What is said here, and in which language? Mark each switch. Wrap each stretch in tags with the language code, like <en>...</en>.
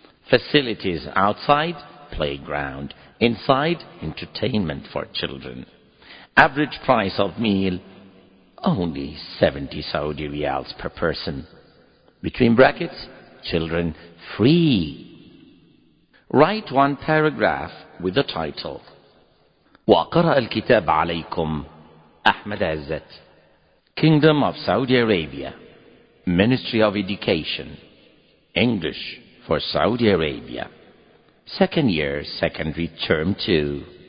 <en>Facilities outside, playground. Inside, entertainment for children. Average price of meal, only 70 Saudi riyals per person. Between brackets, children free. Write one paragraph with the title.</en> <ar>وقرأ الكتاب عليكم أحمد عزت.</ar> <en>Kingdom of Saudi Arabia, Ministry of Education, English for Saudi Arabia. Second year, secondary term 2.</en>